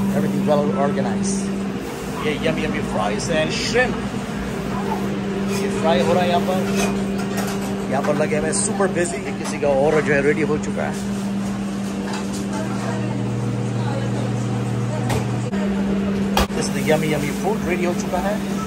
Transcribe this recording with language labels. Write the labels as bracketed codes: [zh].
[en] Everything well organized. Yeah, yummy, yummy fries and shrimp. [hi] ये fry हो रहा है यहाँ पर. यहाँ पर लगे हमें [en] super busy. [hi] किसी का order जो है ready हो चुका है. [en] This is the yummy, yummy food ready [hi] हो चुका है.